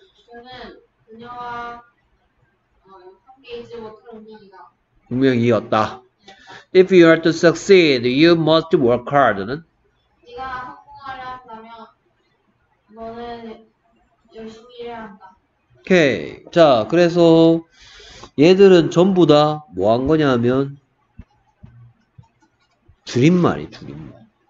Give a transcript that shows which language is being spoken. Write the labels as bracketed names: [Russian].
[Korean] 저는 그녀와 함께 있지 못할 운명이다. 운명이었다. [English] If you are to succeed, you must work hard는? [Korean] 네가 성공하려 한다면 너는 열심히 일해야 한다. 오케이. 자, 그래서 얘들은 전부 다뭐한 거냐면 줄임말이 줄임말.